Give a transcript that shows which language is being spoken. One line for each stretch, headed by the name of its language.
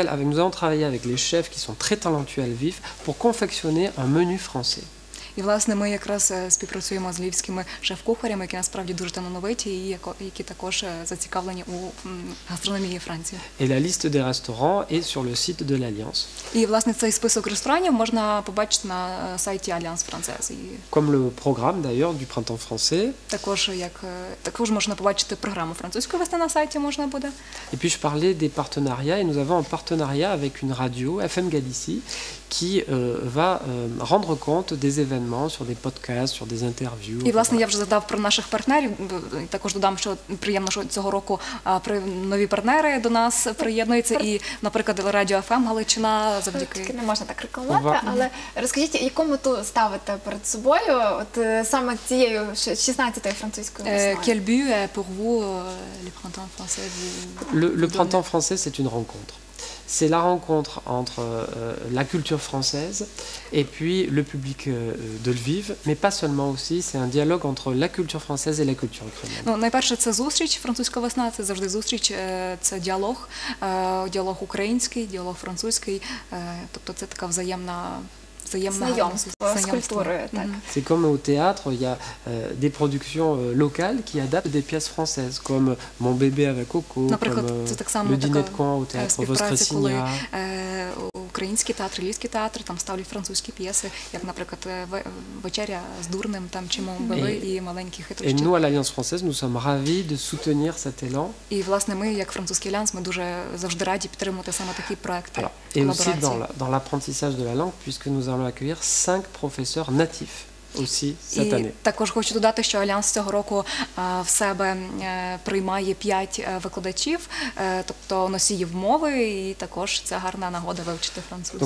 French: Nous avons travaillé avec les chefs qui sont très talentueux à Lviv pour confectionner un menu français.
Ukrainian: І власне ми якраз співпрацюємо з львівськими шеф-кухарями, які насправді дуже талановиті і які також зацікавлені у гастрономії Франції.
French: Et la liste des restaurants est sur le site de l'Alliance.
Ukrainian: І власне цей список ресторанів можна побачити на сайті Альянс Франсез.
French: Comme le programme d'ailleurs du printemps français.
Ukrainian: Також можна побачити програму французької весни на сайті можна буде.
French: Et puis je parlais des partenariats et nous avons un partenariat avec une radio FM Galicie qui va rendre compte des événements sur des podcasts, sur des interviews.
Ukrainian: І, власне, я вже згадав про наших партнерів, також додам, що приємно, що цього року нові партнери до нас приєднуються і, наприклад, Радіо FM Галичина завдяки. Не можна так рекламувати, але розкажіть, яку мету ставите перед собою от саме цією 16-ю французькою весною?
French: Quel but est pour vous le printemps français? Le printemps français, c'est une rencontre. C'est la rencontre entre la culture française et puis le public de Lviv, mais pas seulement aussi, c'est un dialogue entre la culture française et la culture ukrainienne.
Ukrainian: Ну, найперше це зустріч, французька весна, це завжди зустріч, це діалог, діалог український, діалог французький, тобто це така взаємна знайомство з культурою, так.
French: C'est comme au théâtre, il y a des productions locales qui adaptent des pièces françaises comme Mon bébé avec Coco, comme Le dîner de coin au théâtre Voskresenia.
Ukrainian: Українські театри, львівські театри, там ставлять французькі п'єси, як, наприклад, «Вечеря з дурним», там «Чим били» і «Маленькі хитрощі».
French: Et nous, à l'Alliance française, nous sommes ravis de soutenir cet élan.
Ukrainian: І, власне, ми, як французький альянс, ми дуже завжди раді підтримувати саме такі проекти.
French: Alors, et aussi dans l'apprentissage de la langue, puisque nous allons accueillir 5 professeurs natifs. Aussi cette année.
Ukrainian: І також хочу додати, що Альянс цього року в себе приймає 5 викладачів, тобто носіїв мови, і також це гарна нагода вивчити французьку.